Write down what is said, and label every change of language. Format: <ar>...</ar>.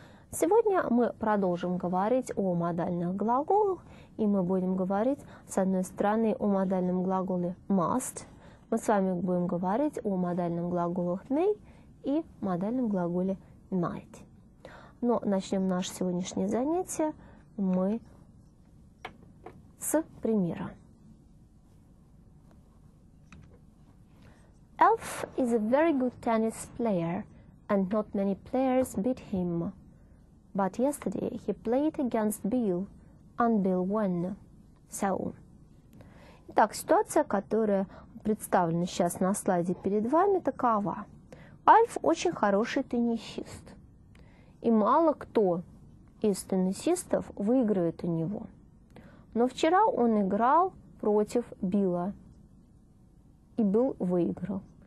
<ru>Сегодня мы продолжим говорить о модальных глаголах, и мы будем говорить, с одной стороны, о модальном глаголе must, мы с вами будем говорить о модальном глаголе may и модальном глаголе might. Но начнем наше сегодняшнее занятие мы с примера.</ru> <en>Elf is a very good tennis player, and not many players beat him. But yesterday he played against Bill, and Bill won. So.</en> <ru>Итак, ситуация, которая представлена сейчас на слайде перед вами, такова. Альф очень хороший теннисист. И мало кто из теннисистов выиграет у него. Но вчера он играл против Билла. И Билл выиграл.</ru>